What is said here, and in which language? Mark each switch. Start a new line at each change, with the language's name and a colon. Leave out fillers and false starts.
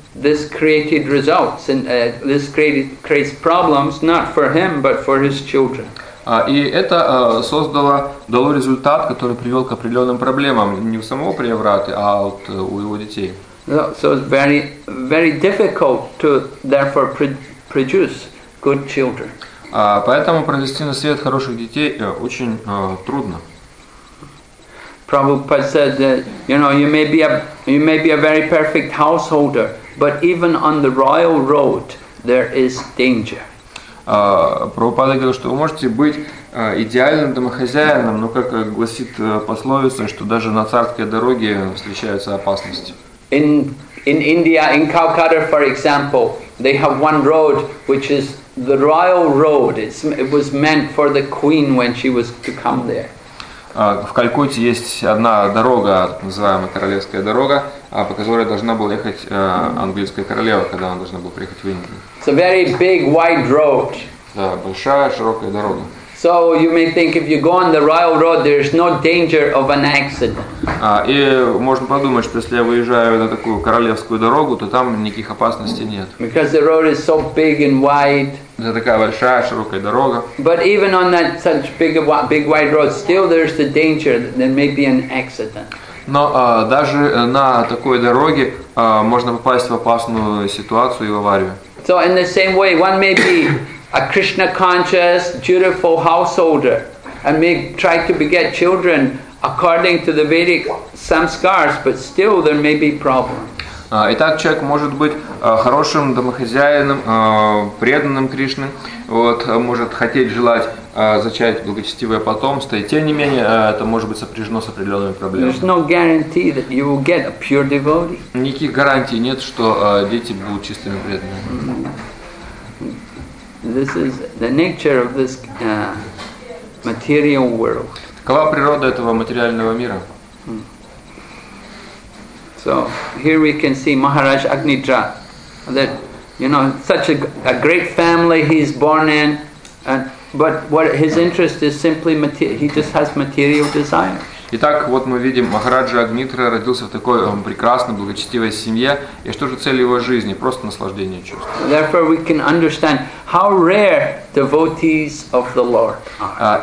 English: This created results and this creates problems not for him but for his children.
Russian: И это дало результат, который привел к определенным проблемам не у самого Приевраты, а у его детей.
English: So it's very, very difficult to therefore produce good children.
Russian: Поэтому произвести на свет хороших детей очень трудно.
English: Prabhupada said that, you know, you may be a very perfect householder, but even on the royal road there is danger.
Russian: Прабхупада говорил, что вы можете быть идеальным домохозяином, но как гласит пословица, что даже на царской дороге встречаются опасности.
English: In India, in Calcutta, for example, they have one road which is the royal road. It was meant for the queen when she was to come there.
Russian: В Калькутте есть одна дорога, называемая королевская дорога, по которой должна была ехать английская королева, когда она должна была приехать в Индию.
English: It's a very big wide road.
Russian: Да, большая широкая дорога.
English: So you may think if you go on the royal road, there is no danger of an accident.
Russian: И можно подумать, что если я выезжаю на такую королевскую дорогу, то там никаких опасностей нет.
English: Because the road is so big and wide.
Russian: Это такая большая широкая дорога.
English: But even on that such big wide road, still there is the danger that there may be an accident.
Russian: Но даже на такой дороге можно попасть в опасную ситуацию и в аварию.
English: So in the same way, one may be a Krishna conscious, dutiful householder, and may try to beget children according to the Vedic samskaras, but still there may be problems.
Russian: Итак, человек может быть хорошим домохозяином, преданным Кришне, вот, может хотеть желать зачать благочестивое потомство, и тем не менее это может быть сопряжено с определенными проблемами.
English: There's no guarantee that you will get a pure devotee.
Russian: Никаких гарантий нет, что дети будут чистыми преданными. Mm-hmm.
English: This is the nature of this material world.
Russian: Такова природа этого материального мира.
English: So here we can see Maharaj Agnidra, that, you know, such a great family he's born in, but what his interest is simply he just has material desires.
Russian: Итак, вот мы видим, Махараджа Агнитра родился в такой прекрасной, благочестивой семье. И что же цель его жизни? Просто наслаждение чувств.
English: Therefore, we can understand how rare devotees of the Lord are.